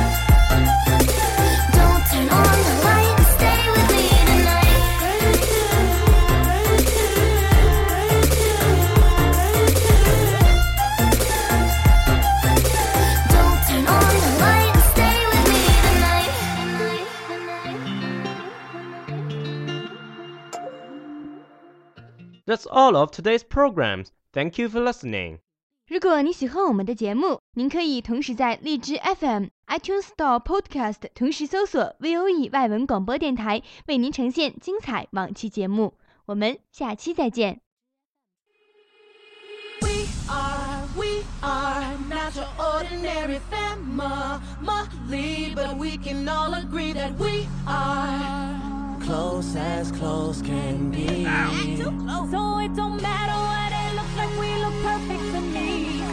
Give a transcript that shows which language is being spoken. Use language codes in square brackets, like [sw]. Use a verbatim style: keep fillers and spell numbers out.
[en] Don't turn on the light and stay with me tonight. Don't turn on the light and stay with me tonight. That's all of today's programs. Thank you for listening. [zh] 如果你喜欢我们的节目，您可以同时在荔枝 F M、iTunes Store Podcast 同时搜索 V O E 外文广播电台，为您呈现精彩往期节目。我们下期再见。 [en] We are, we are not your ordinary family, but we can all agree that we are. Close as close can be. Act too close. So it don't matter what it looks like, we look perfect to me.